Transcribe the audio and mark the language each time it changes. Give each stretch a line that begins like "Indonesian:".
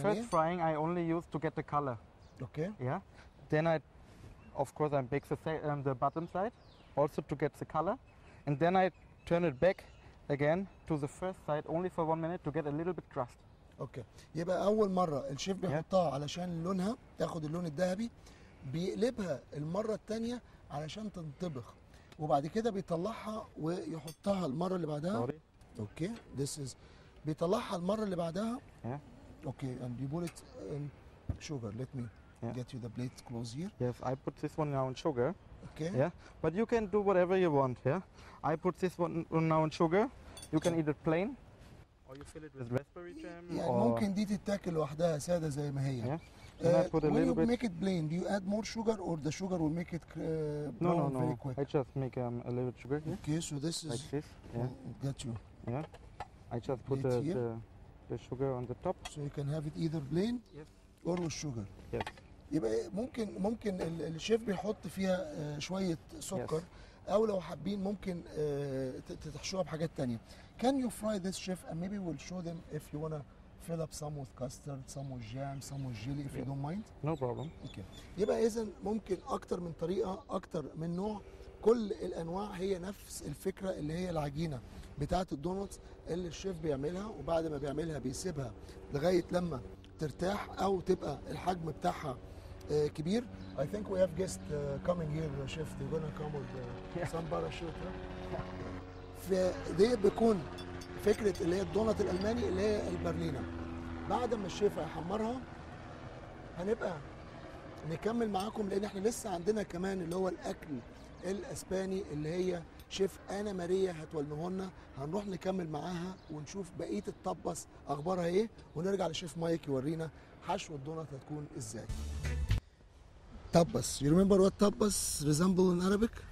English: The first frying I only use to get the color. Okay. Yeah. Then I, of course, I bake the bottom side also to get the color, and then I turn it back. again to the first side only for 1 minute to get a little bit crust.
Arabic: اوكي يبقى اول مره الشيف بيحطها علشان لونها تاخد اللون الذهبي بيقلبها المره الثانيه علشان تنطبخ وبعد كده بيطلعها ويحطها المره اللي بعدها اوكي
English: this is
Arabic: بيطلعها المره اللي بعدها اوكي
English: and you put it in sugar let me get you the plate close here yes I put this one now in sugar okay yeah but you can do whatever you want yeah I put this one now in sugar you can eat it plain or you fill it with raspberry jam yeah or
Arabic: ممكن دي تتاكل لوحدها ساده زي ما هي
English: Can I put a when little you bit make it plain, do you add more sugar or the sugar will make it brown no, no, no. very quick? No, I just make a little bit sugar. Okay, yeah? so this is like this. Yeah. Got you. Yeah. I just put the sugar on the top. So you can have it either plain yes. or with sugar. Yes.
Arabic: يبقى ممكن ممكن الشيف بيحط فيها شوية سكر
English: yes.
Arabic: أو لو حابين ممكن تتحشوها بحاجات تانية.
English: Can you fry this chef and maybe we'll show them if you wanna fill up some with custard, some with jam, some with jelly, if you don't mind. No problem. Okay.
Arabic: يبقى إذن ممكن أكتر من طريقة أكتر من نوع كل الأنواع هي نفس الفكرة اللي هي العجينة بتاعة الدونتس اللي الشيف بيعملها وبعد ما بيعملها بيسيبها لغاية لما ترتاح أو تبقى الحجم بتاعها كبير.
English: I think we have guests coming here, chef. They're gonna come with some parachute.
Arabic: فدي بيكون فكرة اللي هي الدونت الألماني اللي هي البرلينة بعد ما الشيف يحمرها هنبقى نكمل معاكم لأن احنا لسه عندنا كمان اللي هو الأكل الأسباني اللي هي شيف أنا ماريا هتولمهولنا هنروح نكمل معاها ونشوف بقية الطبس أخبارها إيه ونرجع لشيف مايك يورينا حشو الدونت هتكون إزاي طبس
English: You remember what طبس resemble in Arabic؟